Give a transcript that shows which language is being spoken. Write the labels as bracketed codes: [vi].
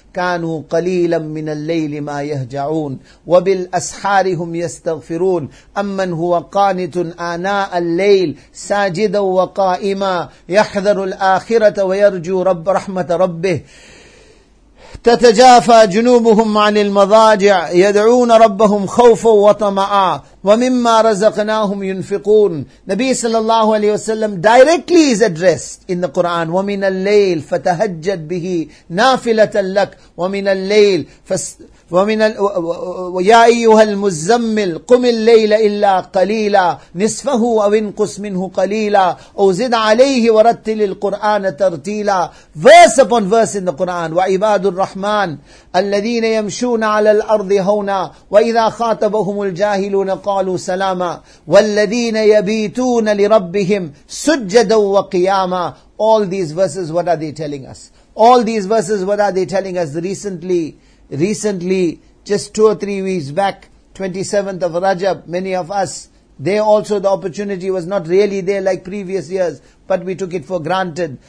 [ar] كانوا قليلا من الليل ما يهجعون وبالأسحار هم يستغفرون أمن هو قانت آناء الليل ساجدا وقائما يحذر الآخرة ويرجو رب رحمة ربه. تتجافى جنوبهم عن المضاجع يدعون ربهم خوفا وطمعا ومما رزقناهم ينفقون. نبي صلى الله عليه وسلم [en] directly is addressed in the Quran. [ar] ومن الليل فتهجد به نافلة لك ومن الليل ومن يا أيها المزمل قم الليل إلا قليلا نصفه أو انقص منه قليلا أو زد عليه ورتل القرآن ترتيلا. [en] Verse upon verse in the Quran. [ar] وعباد الرحمن الذين يمشون على الأرض هونا وإذا خاطبهم الجاهلون قالوا سلاما والذين يبيتون لربهم سجدا وقياما. [en] All these verses, what are they telling us? All these verses, what are they telling us? Recently, just 2 or 3 weeks back, 27th of Rajab, many of us, there also the opportunity was not really there like previous years, but we took it for granted.